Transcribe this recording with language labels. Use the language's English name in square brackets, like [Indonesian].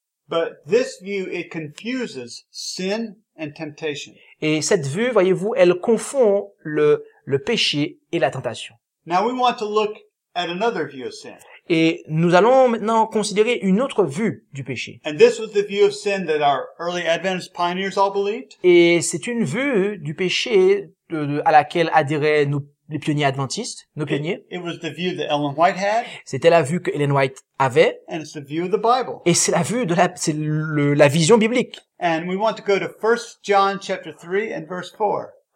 [English] But this view, it confuses sin and temptation. [French] Et cette vue, voyez-vous, elle confond le péché et la tentation. [English] Now we want to look at another view of sin. [French] Et nous allons maintenant considérer une autre vue du péché. [English] And this was the view of sin that our early Adventist pioneers all believed. [French] Et c'est une vue du péché à laquelle adhéraient les pionniers adventistes, nos pionniers. [English] It was the view that Ellen White had. [French] C'était la vue que Ellen White avait. [English] And it's the view of the Bible. [French] Et c'est la vue de la vision biblique. [English] And we want to go to 1 John chapter 3 and verse 4.